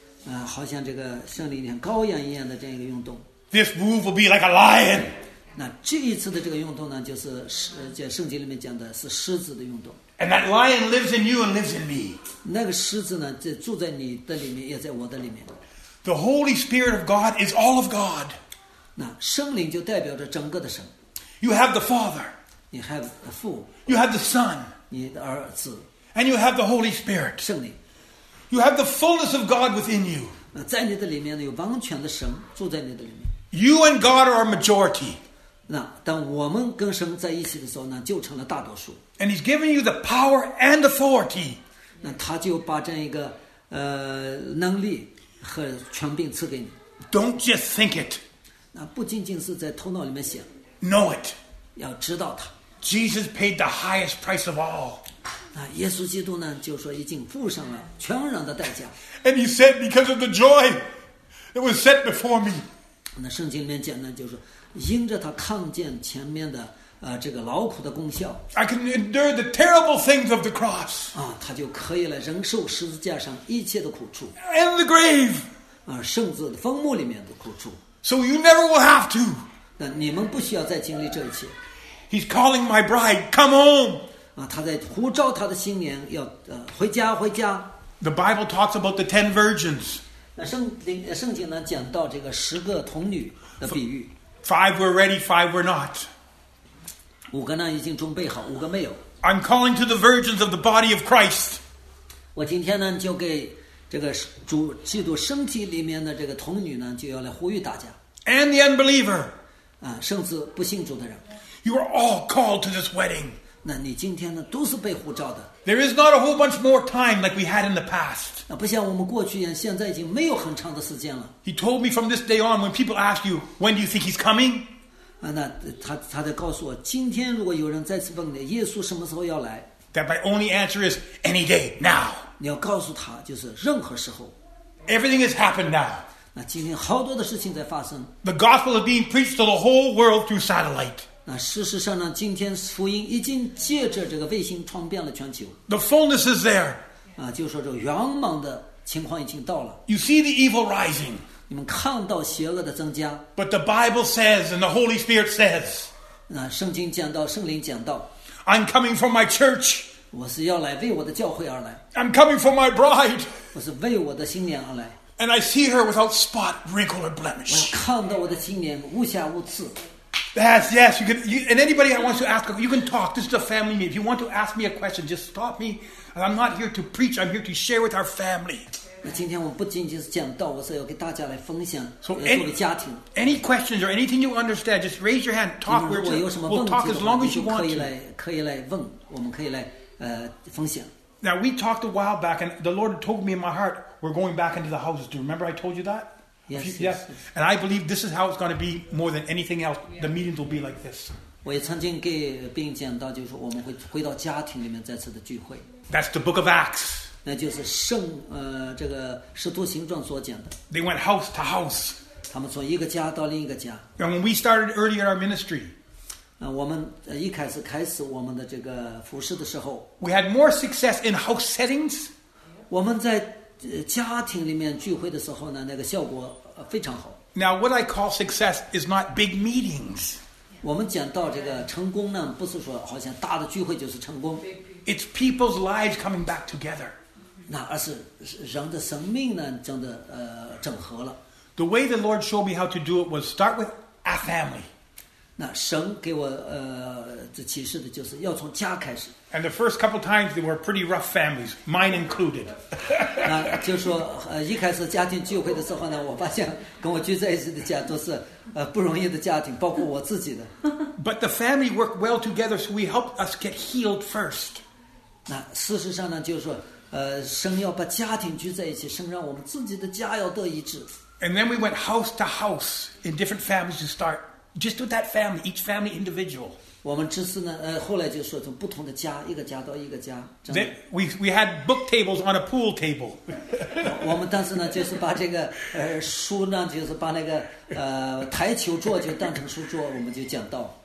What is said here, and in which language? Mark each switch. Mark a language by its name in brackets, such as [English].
[Chinese] 啊，好像这个圣灵里面羔羊一样的这样一个运动。 [English] This move will be like a lion. [Chinese] 那这一次的这个运动呢，就是圣经里面讲的是狮子的运动。 [English] And that lion lives in you and lives in me. [Chinese] 那个狮子呢，就住在你的里面，也在我的里面。 [English] The Holy Spirit of God is all of God. [Chinese] 那圣灵就代表着整个的神。 [English] You have the Father. [Chinese] 你 [English] have the [Chinese] 父。 [English] You have the Son. [Chinese] 你的儿子。 [English] And you have the Holy Spirit. [Chinese] 圣灵。 [English] You have the fullness of God within you. [Chinese] 那在你的里面呢，有完全的神住在你的里面。 [English] You and God are a majority. [Chinese] 那当我们跟神在一起的时候呢，就成了大多数。 [English] And He's given you the power and authority. [Chinese] 那他就把这样一个能力和权柄赐给你。 [English] Don't just think it. [Chinese] 那不仅仅是在头脑里面想。 [English] Know it. [Chinese] 要知道它。 [English] Jesus paid the highest price of all. [Chinese] 那耶稣基督呢，就说已经付上了全然的代价。 [English] And He said, because of the joy that was set before me. [Chinese] 那圣经里面讲呢，就是因着他看见前面的这个劳苦的功效。 [English] I can endure the terrible things of the cross. [Chinese] 啊，他就可以来忍受十字架上一切的苦处。 [English] And the grave. [Chinese] 啊，甚至坟墓里面的苦处。 [English] So you never will have to. [Chinese] 那你们不需要再经历这一切。 [English] He's calling my bride, come home. [Chinese] 啊，他在呼召他的新娘要回家，回家。 [English] The Bible talks about the 10 virgins. [Chinese] 那圣经呢讲到这个十个童女的比喻。 [English] Five were ready, five were not. [Chinese] 五个呢已经准备好，五个没有。 [English] I'm calling to the virgins of the body of Christ. [Chinese] 我今天呢就给这个主基督身体里面的这个童女呢就要来呼吁大家。 [English] And the unbeliever. [Chinese] 啊，甚至不信主的人。 [English] You are all called to this wedding. [Chinese] 那你今天呢，都是被呼召的。 [English] There is not a whole bunch more time like we had in the past. [Chinese] 那不像我们过去一样，现在已经没有很长的时间了。 [English] He told me from this day on, when people ask you, when do you think he's coming? [Chinese] 啊，那他在告诉我，今天如果有人再次问你，耶稣什么时候要来 [English] ？That my only answer is any day now. [Chinese] 你要告诉他，就是任何时候。 [English] Everything has happened now. [Chinese] 那今天好多的事情在发生。 [English] The gospel is being preached to the whole world through satellite. [Chinese] 那事实上呢，今天福音已经借着这个卫星传遍了全球。 [English] The fullness is there. [Chinese] 啊，就说这圆满的情况已经到了。 [English] You see the evil rising. [Chinese] 你们看到邪恶的增加。 [English] But the Bible says, and the Holy Spirit says. [Chinese] 那圣经讲到，圣灵讲到。 [English] I'm coming for my church. [Chinese] 我是要来为我的教会而来。 [English] I'm coming for my bride. [Chinese] 我是为我的新娘而来。 [English] And I see her without spot, wrinkle, or blemish. [Chinese] 我看到我的新娘无瑕无疵。 [English] Yes, you can. And anybody that wants to ask, you can talk. This is a family meeting. If you want to ask me a question, just stop me. I'm not here to preach. I'm here to share with our family. [Chinese] 那今天我不仅仅是讲道，我是要给大家来分享，作为家庭。 [English] Any questions or anything you understand, just raise your hand. Talk. We'll talk as long as you want. [Chinese] 可以来问，我们可以来分享。 [English] Now we talked a while back, and the Lord told me in my heart, we're going back into the houses. Do you remember I told you that? Yes. And I believe this is how it's going to be more than anything else. The meetings will be like this. [Chinese] 我也曾经给病讲到，就是我们会回到家庭里面再次的聚会。 [English] That's the Book of Acts. [Chinese] 那就是圣这个使徒行传所讲的。 [English] They went house to house. [Chinese] 他们从一个家到另一个家。 [English] And when we started early in our ministry, [Chinese] 我们一开始开始我们的这个服事的时候 [English] ，we had more success in house settings. [Chinese] 我们在家庭里面聚会的时候呢，那个效果非常好。 [English] Now what I call success is not big meetings. [Chinese] 我们讲到这个成功呢，不是说好像大的聚会就是成功。 [English] It's people's lives coming back together. [Chinese] 那而是人的生命呢，真的整合了。 [English] The way the Lord showed me how to do it was start with a family. [Chinese] 那神给我这启示的就是要从家开始。 [English] And the first couple times they were pretty rough families, mine included. [Chinese] 那就说一开始家庭聚会的时候呢，我发现跟我聚在一起的家都是不容易的家庭，包括我自己的。 [English] But the family worked well together, so we helped us get healed first. [Chinese] 那事实上呢，就是说神要把家庭聚在一起，神让我们自己的家要得医治。 [English] And then we went house to house in different families to start just with that family, each family individual. [Chinese] 我们这次呢，后来就说从不同的家，一个家到一个家。 [English] Then we had book tables on a pool table. [Chinese] 我们当时呢，就是把这个书呢，就是把那个台球桌就当成书桌，我们就讲道。